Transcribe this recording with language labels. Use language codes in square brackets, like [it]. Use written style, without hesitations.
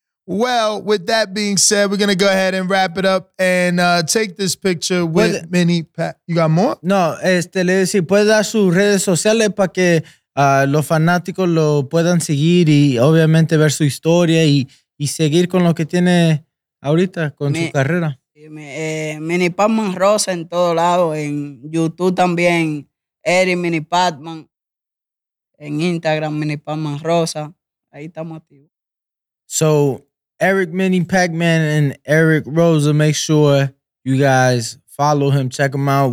[en] Well, with that being said, we're going to go ahead and wrap it up and take this picture with Mini Pat. You got more? [es] No, le decía, puede dar sus redes sociales para que los fanáticos lo puedan seguir y obviamente ver su historia y seguir con lo que tiene ahorita con su carrera. Mini Patman Rosa en todo lado, en YouTube también, Eric Mini Patman, en Instagram Mini Patman Rosa, ahí estamos activos. [en] So, Eric Mini Pac-Man and Eric Rosa, make sure you guys follow him, check him out.